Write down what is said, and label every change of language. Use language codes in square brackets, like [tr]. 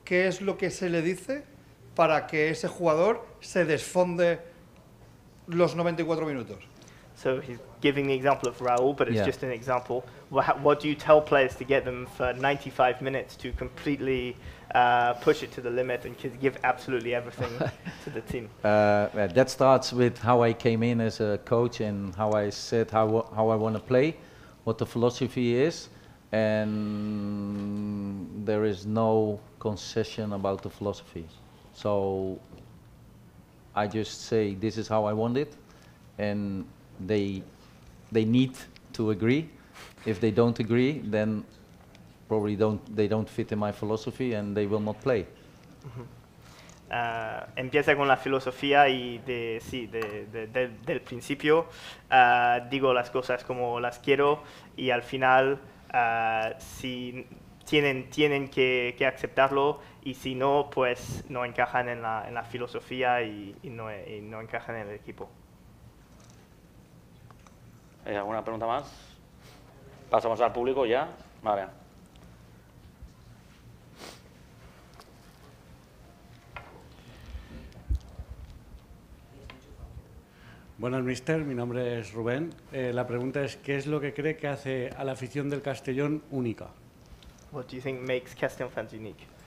[es] ¿Qué es lo que se le dice para que ese jugador se desfonde los 94 minutos? [en] So he's giving the example of Raúl, but it's just an example. What do you tell players to get them for 95 minutes to completely push it to the limit and give absolutely everything to the team? That starts with how I came in as a coach and how I said how I want to play, what the philosophy is, and there is no concession about the philosophy. So I just say this is how I want it, and they need to agree. If they don't agree, then probably they don't fit in my philosophy and they will not play. [es] Empieza con la filosofía y del principio digo las cosas como las quiero y al final si tienen que aceptarlo y si no, pues no encajan en la filosofía y no encajan en el equipo. ¿Hay alguna pregunta más? Pasamos al público ya. Vale. Buenas, mister. Mi nombre es Rubén. La pregunta es, ¿qué es lo que cree que hace a la afición del Castellón única? [en] What do you think makes Castellón fans unique?